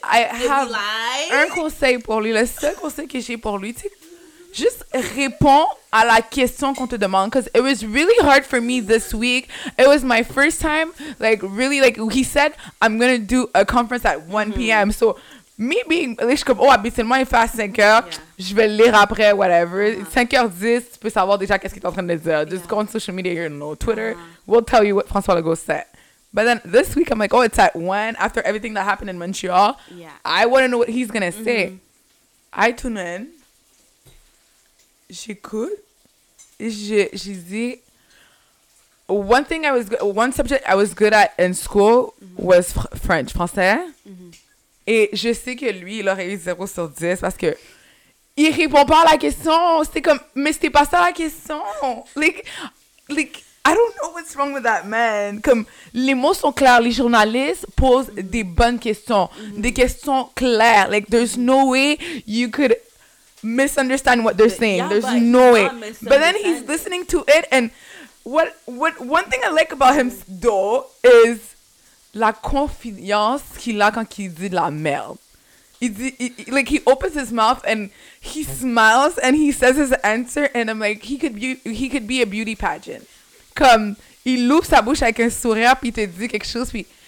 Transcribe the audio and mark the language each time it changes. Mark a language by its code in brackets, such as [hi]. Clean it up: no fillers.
[fr] lie? [en] I have [fr] un conseil pour lui. Le seul conseil que j'ai pour lui, tu sais, [en] Just [fr] réponds à la question qu'on te demande. [en] Because it was really hard for me this week. It was my first time. Like, really, like, he said, I'm going to do a conference at 1 p.m. [fr] Mm-hmm. [en] So, me being, [fr] je suis comme, oh, habituellement, il fait 5 heures. Yeah. Je vais le lire après, whatever. Uh-huh. 5h10, tu peux savoir déjà qu'est-ce qu'il est en train de dire. [en] Just go on social media, you know, Twitter. Uh-huh. We'll tell you what François Legault said. But then this week, I'm like, oh, it's at 1 after everything that happened in Montreal. Yeah. I want to know what he's going to say. Mm-hmm. I tune in. [fr] J'écoute. J'ai dit. [en] One thing I was good, one subject I was good at in school was French, français. [fr] Et je sais que lui, il aurait eu 0 sur 10 parce que il répond pas à la question. C'était comme, mais c'était pas ça la question. [en] Like, I don't know what's wrong with that man. [fr] Comme, les mots sont clairs. Les journalistes posent des bonnes questions. Des questions claires. [en] Like, there's no way you could misunderstand what they're saying. Yeah, there's no way. But then he's listening to it. And what one thing I like about him, though, is [fr] la confiance qu'il a quand il dit de la merde. [en] He opens his mouth and he smiles and he says his answer. And I'm like, he could be a beauty pageant. [fr] Comme, il ouvre sa bouche avec un sourire puis il te dit quelque chose puis...